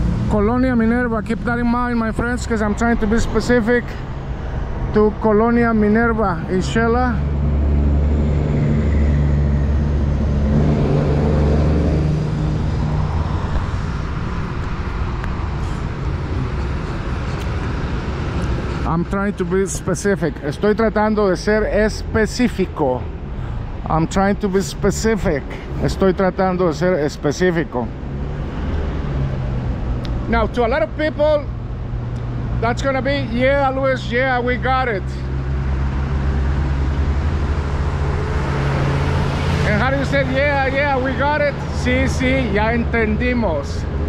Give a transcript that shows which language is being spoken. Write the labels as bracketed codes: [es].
[en] Colonia Minerva, keep that in mind, my friends, because I'm trying to be specific to Colonia Minerva in Xela. I'm trying to be specific. [es] Estoy tratando de ser específico. [en] I'm trying to be specific. [es] Estoy tratando de ser específico. [en] Now, to a lot of people, that's gonna be, yeah, Luis, yeah, we got it. And how do you say, yeah, yeah, we got it? [es] Sí, sí, ya entendimos.